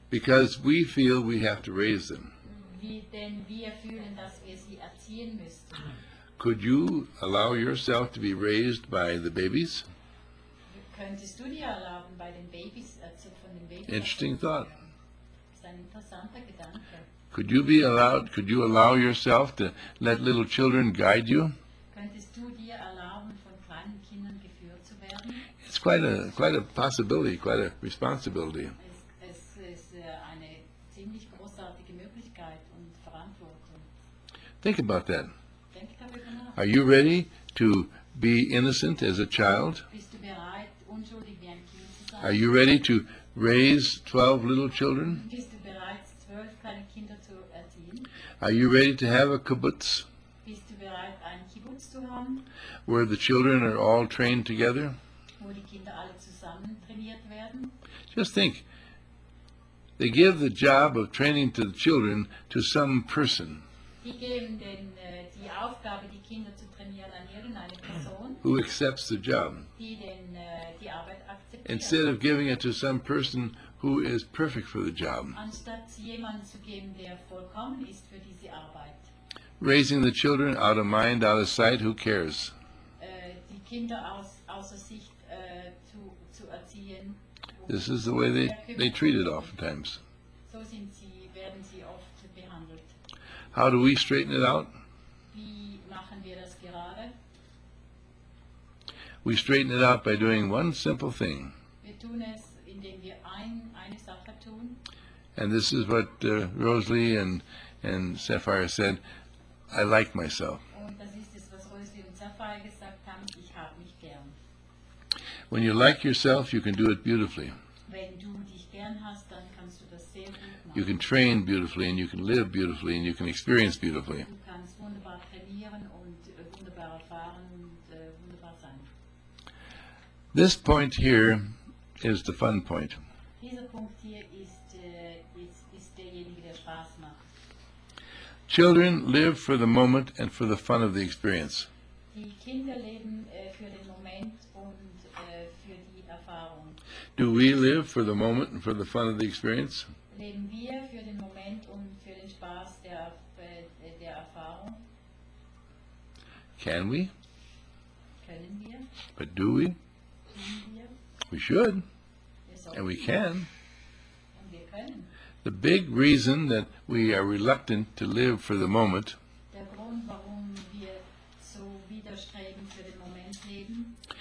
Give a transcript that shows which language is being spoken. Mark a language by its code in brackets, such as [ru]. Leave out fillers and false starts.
[en] Because we feel we have to raise them. [de] Wie denn wir fühlen, dass wir sie erziehen müssten? [en] Could you allow yourself to be raised by the babies? [de] Könntest du dir erlauben, bei den Babys, von den Babys? [en] Interesting thought. [de] Ist ein interessanter Gedanke. [en] Could you be allowed, could you allow yourself to let little children guide you? [de] Könntest du dir erlauben, von kleinen Kindern geführt zu werden? [en] It's quite a possibility, quite a responsibility. [de] Es ist eine ziemlich großartige Möglichkeit und Verantwortung. [en] Think about that. [de] Denk darüber nach. [en] Are you ready to be innocent as a child? [de] Bist du bereit, unschuldig wie ein Kind zu sein? [en] Are you ready to raise 12 little children? [de] Bist du bereit, 12 kleine Kinder zu erziehen? [en] Are you ready to have a kibbutz? [de] Bist du bereit, ein Kibbutz zu haben? [en] Where the children are all trained together? [de] Wo die Kinder alle zusammen trainiert werden? [en] Just think. They give the job of training to the children to some person. [de] Die geben den, die Aufgabe, die Kinder zu trainieren, an irgendeine Person. [en] Who accepts the job? [de] Die den, die Arbeit akzeptiert. [en] Instead of giving it to some person who is perfect for the job. [de] Anstatt jemanden zu geben, der vollkommen ist für diese Arbeit. [en] Raising the children out of mind, out of sight, who cares? [de] Die Kinder aus, außer Sicht, zu erziehen. [en] This is the way they treat it oftentimes. [de] So sind sie, werden sie oft behandelt. [en] How do we straighten it out? [de] Wie machen wir das gerade? [en] We straighten it out by doing one simple thing. [de] Wir tun es, indem wir eine Sache tun. [en] And this is what Rosalie and Sapphire said, I like myself. [de] Und das ist es, was Rosalie und Sapphire gesagt haben, ich hab mich gern. [en] When you like yourself, you can do it beautifully. [de] Wenn du dich gern hast, dann kannst du das sehr [en] You can train beautifully, and you can live beautifully, and you can experience beautifully. [de] Du kannst wunderbar trainieren und wunderbar erfahren und wunderbar sein. [en] This point here is the fun point. [de] Dieser Punkt hier ist, ist derjenige, der Spaß macht. [en] Children live for the moment and for the fun of the experience. [de] Die Kinder leben für den Moment und für die Erfahrung. [en] Do we live for the moment and for the fun of the experience? [de] Leben wir für den Moment und für den Spaß der Erfahrung? [en] Can we? [de] Können wir? [en] But do we? [de] Können wir? [en] We should. And we can. [de] Und wir können. [en] The big reason that we are reluctant to live for the moment, [de] der Grund, warum wir so widerstreben für den Moment leben,